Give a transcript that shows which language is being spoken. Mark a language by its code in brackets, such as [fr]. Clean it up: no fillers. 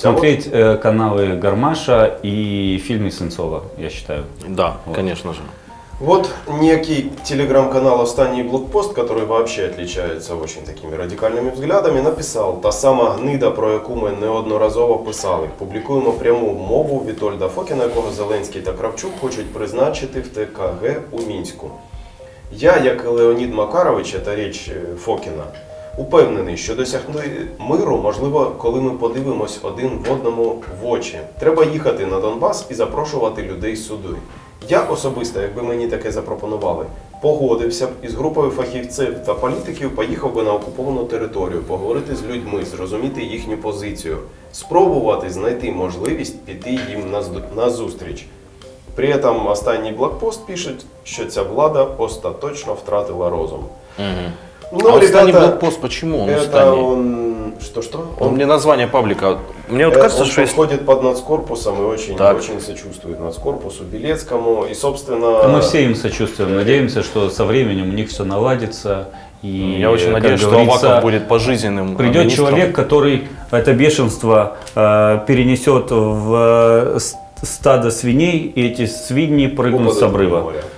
[ru] Смотреть каналы Гармаша и фильмы Сенцова, я считаю. Да, вот. Конечно же. Вот некий телеграм-канал «Остань и блокпост», который вообще отличается очень такими радикальными взглядами, написал: [uk] «Та сама гнида, про яку ми неодноразово писали. Публікуємо пряму мову Вітольда Фокіна, якого Зеленський та Кравчук хочуть призначити в ТКГ у Мінську. Я, як і Леонід Макарович, та річ Фокіна, упевнений, що досягти миру можливо, коли ми подивимось один в одному в очі. Треба їхати на Донбас і запрошувати людей сюди. Я особисто, якби мені таке запропонували, погодився б із групою фахівців та політиків, поїхав би на окуповану територію, поговорити з людьми, зрозуміти їхню позицію, спробувати знайти можливість піти їм на зустріч. [ru] При этом [uk] останній блокпост пише, що ця влада остаточно втратила розум. Угу. [ru] Ну, а ребята, [uk] останній блокпост, чому він останній? [ru] Что? Он мне название паблика. Мне вот кажется, он что подходит под нацкорпусом и очень, очень сочувствует нацкорпусу Белецкому. И, собственно, мы все им сочувствуем. Надеемся, что со временем у них все наладится. И, я очень надеюсь, что Аваков будет пожизненным. Придет министром. Человек, который это бешенство перенесет в стадо свиней, и эти свиньи прыгнут с обрыва.